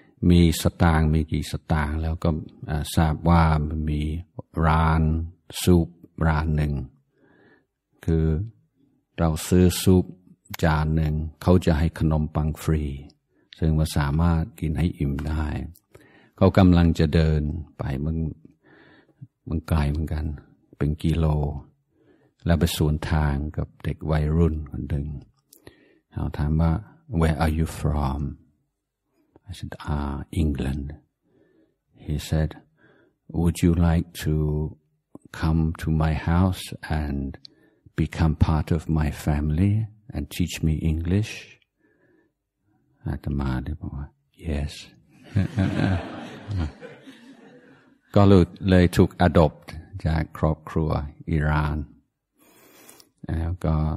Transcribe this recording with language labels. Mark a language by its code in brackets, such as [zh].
[th] มีสตางค์มีกี่สตางค์แล้วก็ทราบว่ามีร้านซุปร้านหนึ่งคือเราซื้อซุปจานหนึ่งเขาจะให้ขนมปังฟรีซึ่งว่าสามารถกินให้อิ่มได้เขากำลังจะเดินไปมันไกลเหมือนกันเป็นกิโลแล้วไปสวนทางกับเด็กวัยรุ่นคนหนึ่งเขาถามว่า [en] Where are you from? I said, England. He said, Would you like to come to my house andbecome part of my family and teach me English? [th] อาตมาเลยบอกว่า yes ก็เลยถูก adopt จากครอบครัวอิหร่านแล้วก็